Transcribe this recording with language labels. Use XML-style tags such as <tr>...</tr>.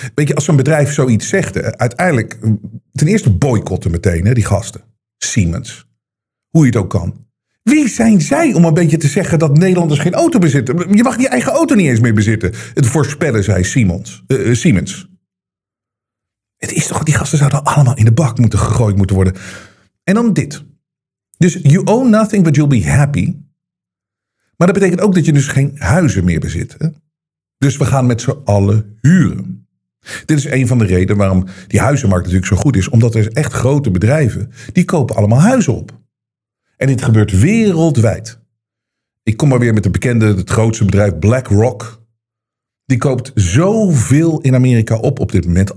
<nl>Weet je, als zo'n bedrijf zoiets zegt, uiteindelijk, ten eerste boycotten meteen, hè, die gasten. Siemens. Hoe je het ook kan. Wie zijn zij om een beetje te zeggen dat Nederlanders geen auto bezitten? Je mag je eigen auto niet eens meer bezitten. Het voorspellen, zei Siemens. Het is toch, die gasten zouden allemaal in de bak moeten gegooid moeten worden. En dan dit.</nl> <en>Dus you own nothing, but you'll be happy.</en> <nl>Maar dat betekent ook dat je dus geen huizen meer bezit. Hè? Dus we gaan met z'n allen huren. Dit is een van de redenen waarom die huizenmarkt natuurlijk zo goed is. Omdat er echt grote bedrijven, die kopen allemaal huizen op. En dit gebeurt wereldwijd. Ik kom maar weer met de bekende, het grootste bedrijf BlackRock. Die koopt zoveel in Amerika op dit moment.</nl>